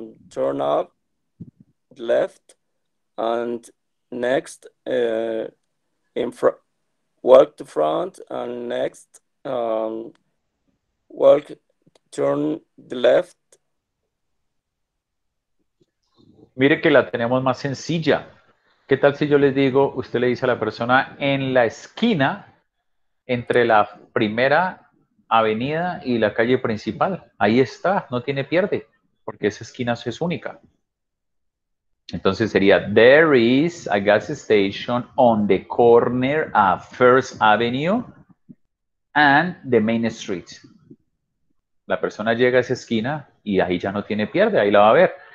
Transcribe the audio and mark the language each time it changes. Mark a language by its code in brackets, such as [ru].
[en] Turn up left and next in front, walk to front and next walk, turn the left. [es] Mire que la tenemos más sencilla. ¿Qué tal si yo les digo, usted le dice a la persona en la esquina entre la primera avenida y la calle principal? Ahí está, no tiene pierde, porque esa esquina es única. Entonces sería, [en] there is a gas station on the corner of First Avenue and the Main Street. [es] La persona llega a esa esquina y ahí ya no tiene pierde, ahí la va a ver.